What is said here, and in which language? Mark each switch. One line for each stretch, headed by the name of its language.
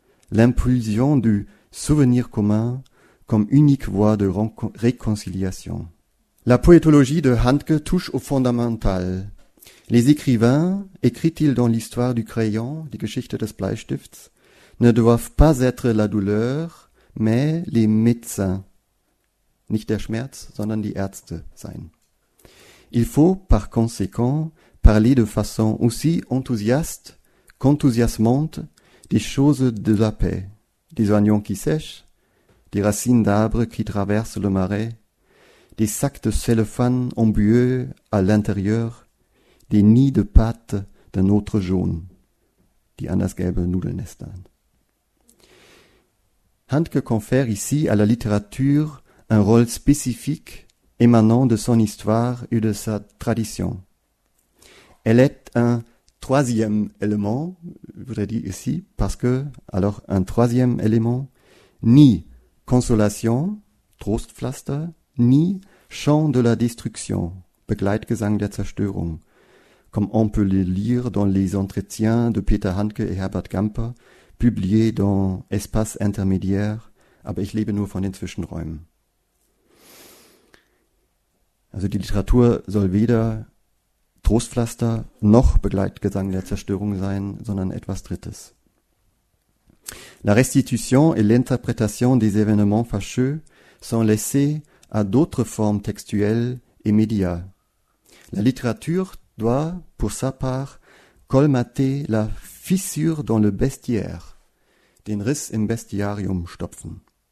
French: L'impulsion du souvenir commun comme unique voie de réconciliation. La poétologie de Handke touche au fondamental. Les écrivains, écrit-il dans l'histoire du crayon, Die Geschichte des Bleistifts, ne doivent pas être la douleur, mais les médecins.
German: Nicht der Schmerz, sondern die Ärzte sein.
French: Il faut, par conséquent, parler de façon aussi enthousiaste qu'enthousiasmante des choses de la paix, des oignons qui sèchent, des racines d'arbres qui traversent le marais, des sacs de cellophane embueux à l'intérieur, des nids de pâtes d'un autre jaune,
German: die andersgelbe Nudelnestern.
French: Handke confère ici à la littérature un rôle spécifique émanant de son histoire et de sa tradition. Elle est un troisième élément, je voudrais dire ici, parce que, alors, un troisième élément, ni consolation, Trostpflaster, ni chant de la destruction, Begleitgesang der Zerstörung, comme on peut le lire dans les entretiens de Peter Handke et Herbert Gamper, publiés dans Espace intermédiaire,
German: Aber ich lebe nur von den Zwischenräumen. Also, die Literatur soll weder Trostpflaster noch Begleitgesang der Zerstörung sein, sondern etwas Drittes.
French: La restitution et l'interprétation des événements fâcheux sont laissés à d'autres formes textuelles et médias. La littérature doit, pour sa part, colmater la fissure dans le bestiaire,
German: den Riss im Bestiarium stopfen.